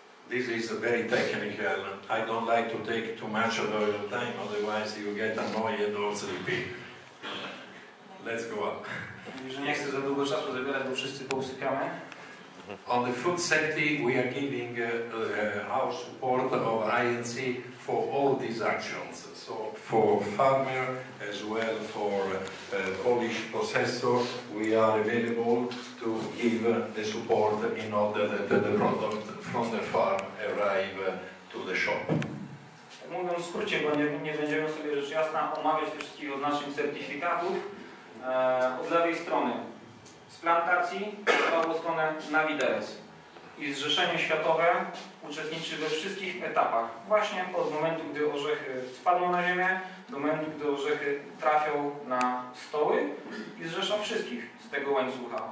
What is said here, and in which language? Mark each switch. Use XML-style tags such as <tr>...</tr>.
<en>This is a very technical. I don't like to take too much of your time, otherwise you get annoyed or sleepy. Let's go on.</en> <pl>Że nie chcę za długo czasu zabierać, bo wszyscy pousypiamy.</pl> <en>On the food safety, we are giving our support of INC for all these actions. So for farmer as well, for Polish processor, we are available to give the support in order that the product from the farm arrive to the shop.</en> <pl>Mówiąc w skrócie, bo nie będziemy sobie rzecz jasna omawiać wszystkich oznaczeń certyfikatów, od lewej strony. Z plantacji w prawą stronę na widelec. I Zrzeszenie Światowe uczestniczy we wszystkich etapach. Właśnie od momentu, gdy orzechy spadną na ziemię, do momentu, gdy orzechy trafią na stoły i zrzesza wszystkich z tego łańcucha.</pl>